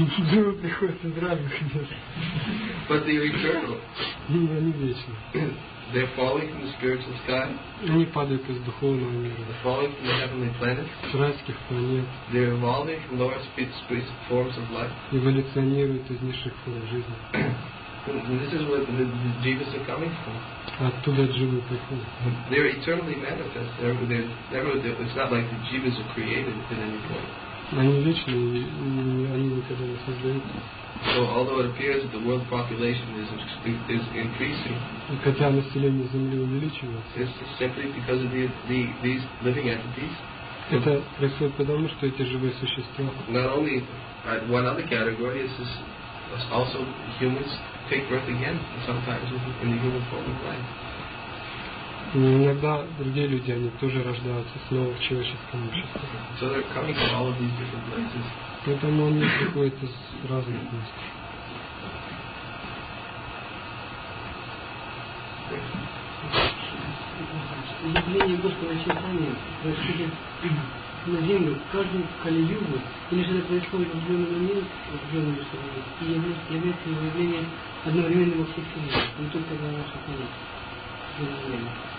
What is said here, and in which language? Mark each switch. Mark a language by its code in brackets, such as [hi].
[ru] Живы приходят из разных мест. [en] But they are eternal. [ru] Они вечны. [en] They are falling from the spiritual sky. [ru] Они падают из духовного мира. [en] They are falling from the heavenly planets. [ru] С райских планет. [en] They are evolving from lower space forms of life. [ru] Эволюционируют из низших форм жизни. [en] And this is where the jivas are coming from. [ru] Оттуда дживы приходят. [en] They are eternally manifest. It's not like the jivas are created at any point. [ru] Они вечны, они никогда не создаются. [en] So although it appears that the world population is increasing, [ru] хотя население Земли увеличивается, [en] it's simply because of these living entities. [ru] Это происходит потому, что эти живые существа. [en] Not only one other category is this. Also, humans take birth again sometimes in the human form of life. [ru] Иногда другие люди, они тоже рождаются снова в человеческом обществе. [en] So they're coming from all of these different places. [ru] Поэтому они приходят из разных мест. Явление Господа Чайтаньи происходит на Землю в каждом Кали-Югу, или же это происходит в определенный момент, в определенном месте, и является явлением одновременно во всех Вселенных, не только на наших планетах, на Земле.